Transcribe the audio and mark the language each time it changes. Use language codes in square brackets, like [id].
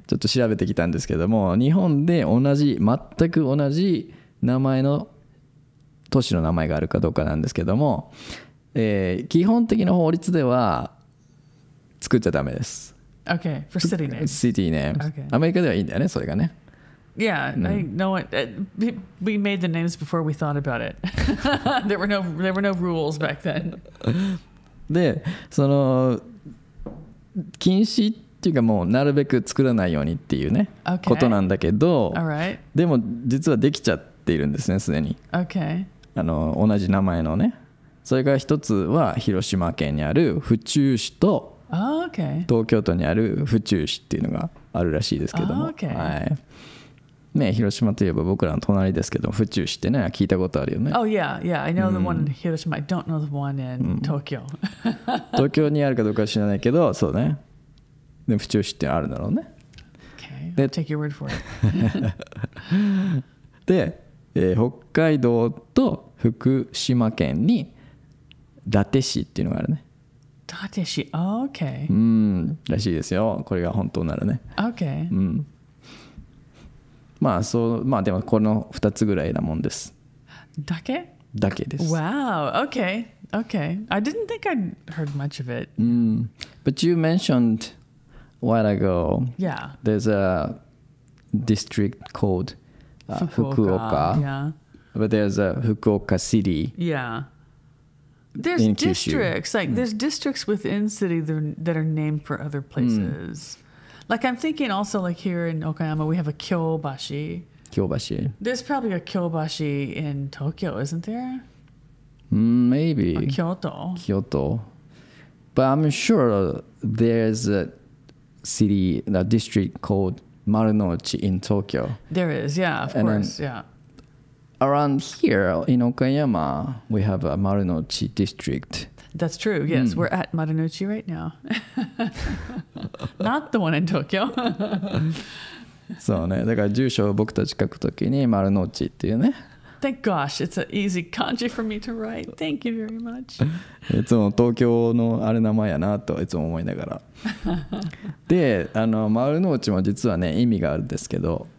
[ja] ちょっと調べてきたんですけども、日本で同じ、全く同じ名前の都市の名前があるかどうかなんですけども、基本的な法律では作っちゃダメです。 [en] Okay. For city names. City names. Okay. [ja] アメリカではいいんだよね、それがね。 [en] Yeah, I know it. We made the names before we thought about it. there were no rules back then. [ja] で、その禁止っていうかもうなるべく作らないようにっていうね、 [en] okay. [ja] ことなんだけど、 [en] All right. [ja] でも実はできちゃっているんですね、すでに。 [en] Okay. [ja] あの同じ名前のね、それが一つは広島県にある府中市と、 [en] oh, okay. [ja] 東京都にある府中市っていうのがあるらしいですけども、 [en] oh, okay. [ja] はい。ね、広島といえば僕らの隣ですけど、府中市ってね、聞いたことあるよね。 [en] Oh yeah, yeah, I know the one in Hiroshima. I don't know the one in Tokyo. [ja] 東京にあるかどうかは知らないけど、そうね。でも府中市ってあるだろうね。 [en] Okay, I'll take your word for it. [ja] で、北海道と福島県に伊達市っていうのがあるね。 [en] 伊達市、oh, okay. [ja] らしいですよ。これが本当ならね。 [en] Okay. [ja] まあそう、まあでもこの2つぐらいなもんです。だけ？だけです。 [en] Wow, okay, okay. I didn't think I'd heard much of it. But you mentioned a while ago, yeah. there's a district called Fukuoka. Yeah. But there's a Fukuoka city. Yeah. There's districts, like there's districts within city that are named for other places. Mm. Like, I'm thinking also, like, here in Okayama, we have a Kyobashi. Kyobashi. There's probably a Kyobashi in Tokyo, isn't there? Maybe. A Kyoto. Kyoto. But I'm sure there's a city, a district called Marunouchi in Tokyo. There is, yeah, of And course, then yeah. Around here in Okayama, we have a Marunouchi district. That's true. Yes, we're at Marunouchi right now. Not the one in Tokyo. [ja] そうね。だから住所を僕たち書くときに丸の内っていうね。 [en] Thank gosh, it's an easy kanji for me to write. Thank you very much. [ja] いつも東京のあれ名前やなといつも思いながら。で、あの丸の内も実はね意味があるんですけど。